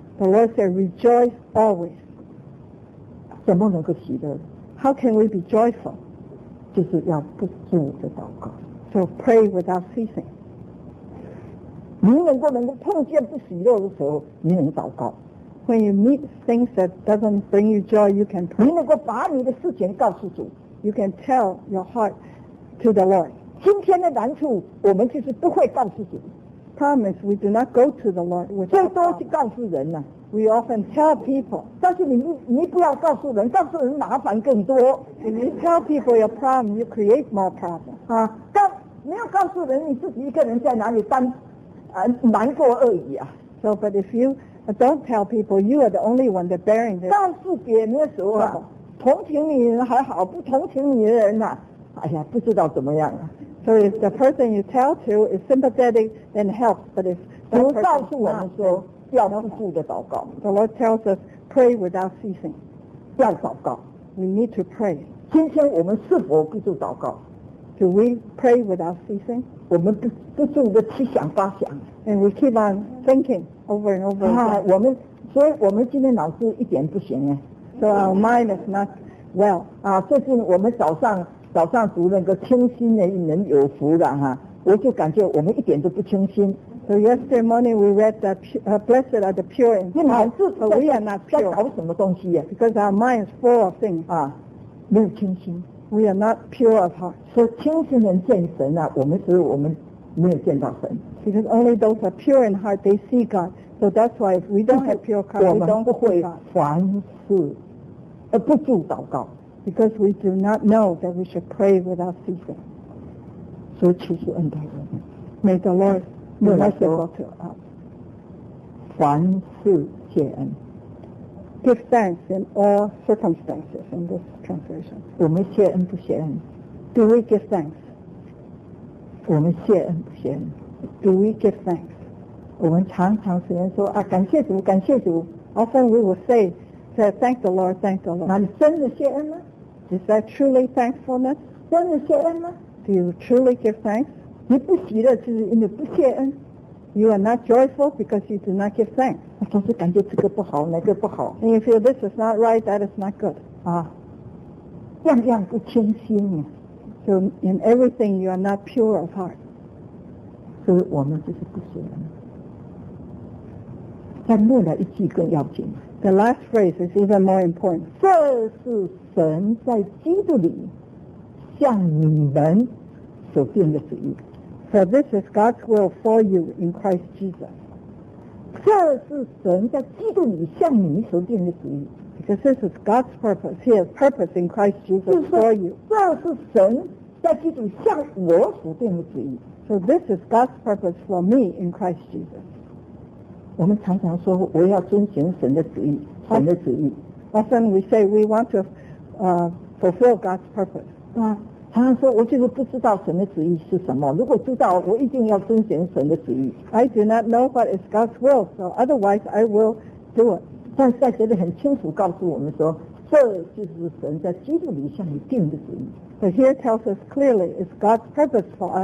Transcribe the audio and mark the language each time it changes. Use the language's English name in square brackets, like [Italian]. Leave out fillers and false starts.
[English] The Lord said rejoice always [Chinese] 怎么能够喜乐 [English] How can we be joyful [Chinese] 就是要不住的祷告 [English] So pray without ceasing [Chinese] 你能够碰见不喜乐的时候你能祷告 [English] When you meet things that doesn't bring you joy you can pray [Chinese] 你能够把你的事情告诉主 [English] You can tell your heart to the Lord. [Chinese] 今天的难处，我们就是不会告诉主。 [English] Promise, we do not go to the Lord. [Chinese] 最多是告诉人呐。 [English] We often tell people. [Chinese] 但是你不要告诉人，告诉人麻烦更多。 [English] If you tell people your problem, you create more problems. [Chinese] 啊，没有告诉人，你自己一个人在哪里担，难过而已啊。 [English] So, but if you don't tell people, you are the only one that bearing this. [Chinese] 告诉别人的时候啊。同情你人还好，不同情你的人呐、啊，哎呀，不知道怎么样啊。 [English] So if the person you tell to is sympathetic, then helps. But if [Chinese] 主告诉我们说要不住的祷告 [English] ，The Lord tells us pray without ceasing. [Chinese] 要祷告 [English] ，We need to pray. [Chinese] 今天我们是否不住祷告 [English] ？Do we pray without ceasing? [Chinese] 我们不住的七想八想 [English] ，And we keep on thinking over and over. [Chinese] 啊，我们，所以我们今天脑子一点不行哎。 [English] So our mind is not well. [Chinese] 啊，最近我们早上读那个清心的一门有福的哈，我就感觉我们一点都不清心。 [English] So yesterday morning we read that blessed are the pure in heart, but we are not pure. [Chinese] 在搞什么东西啊? [English] Because our mind is full of things. [Chinese] 啊, 没有清心。 [English] We are not pure of heart. [Chinese] So 清心人见神啊，我们是我们没有见到神。 [English] Because only those are pure in heart, they see God. So that's why if we don't have pure heart, we don't see God. [Chinese] 我们不会凡事不住祷告。 [English] Because we do not know that we should pray without ceasing. [Chinese] 所以求主恩待我们。 [English] May the Lord be merciful to us. [Chinese] 凡事谢恩。 [English] Give thanks in all circumstances in this translation. [Chinese] 我们谢恩不谢恩。 [English] Do we give thanks? [Chinese] 我们谢恩不谢恩。 [English] Do we give thanks? [Chinese] 我们常常虽然说啊，感谢主，感谢主。 [English] Often we will say, say thank the Lord, thank the Lord. [Chinese] 那你真的谢恩吗？ [English] Is that truly thankfulness? [Chinese] 真的谢恩吗？ [English] Do you truly give thanks? [Chinese] 你不喜乐就是因为不谢恩。 [English] You are not joyful because you do not give thanks. [Chinese] 我总是感觉这个不好，那个不好。 [English] And you feel this is not right, that is not good. [Chinese] 啊，样样不清心啊。 [English] So in everything you are not pure of heart. [Chinese] 所以我们就是不谢恩。但末了一句更要紧。 [English] The last phrase is even more important. [Chinese] 这是神在基督里向你们所定的旨意。 [English] So this is God's will for you in Christ Jesus. [Chinese] 这是神在基督里向你所定的旨意。 [English] Because this is God's purpose, His purpose in Christ Jesus for you. [Chinese] 这是神在基督向我所定的旨意。 [English] So this is God's purpose for me in Christ Jesus. [Chinese] 我们常常说我要遵循神的旨意，神的旨意。 [English] Often we say we want to fulfill God's purpose. [Chinese] 常常说我就是不知道神的旨意是什么，如果知道我一定要遵循神的旨意。 [English] I do not know what is God's will, so otherwise I will do it. [Chinese] 但是在这里很清楚告诉我们说，这就是神在基督里向你定的旨意。 [English] But here tells us clearly it's God's purpose for us.